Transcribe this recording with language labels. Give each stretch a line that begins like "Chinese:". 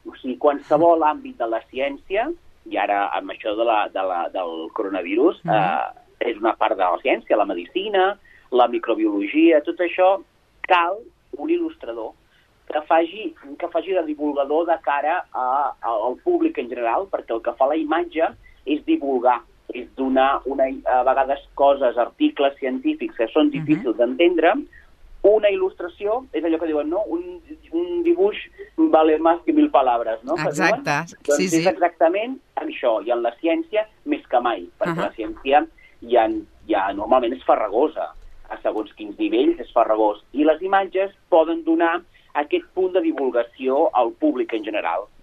Catalan: O sigui, qualsevol àmbit de la ciència... I ara, amb això del coronavirus, és una part de la ciència, la medicina, la microbiologia, tot això, cal un il·lustrador que faci de divulgador de cara al públic en general, perquè el que fa la imatge és divulgar, és donar a vegades coses, articles científics que són difícils d'entendre. Una il·lustració és allò que diuen, no? Un dibuix
Spanish: vale más que mil palabras, no?
Catalan: Exacte, doncs sí, és exactament això, i en la ciència més que mai, perquè la ciència ja normalment és farragosa, a segons quins nivells és farragós, i les imatges poden donar aquest punt de divulgació al públic en general.